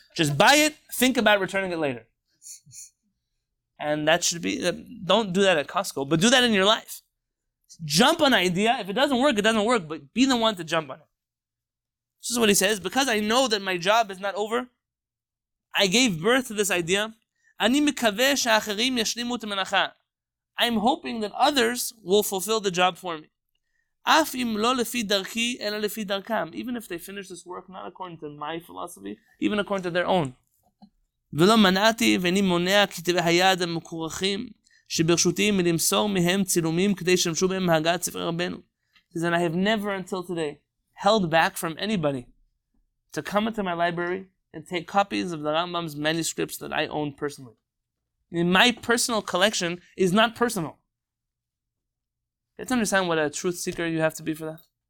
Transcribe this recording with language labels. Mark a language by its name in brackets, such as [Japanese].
[English] Just buy it, think about returning it later. And that should be, don't do that at Costco, but do that in your life. Jump on an idea. If it doesn't work, it doesn't work, but be the one to jump on it. This is what he says, because I know that my job is not over, I gave birth to this idea, I'm hoping that others will fulfill the job for me. [Hebrew] אף אם לא לפי דרכי, אלא לפי דרכם. [English] Even if they finish this work, not according to my philosophy, even according to their own. [Hebrew] ולא מנעתי ואיני מונע כתבי היד המקורחים שברשותי מלמסור מהם צילומים כדי שימשו בהם הגעת ספר רבנו. [English] He says, I have never until today held back from anybody to come into my library and take copies of the Rambam's manuscripts that I own personally. In my personal collection is not personal. You have to understand what a truth seeker you have to be for that.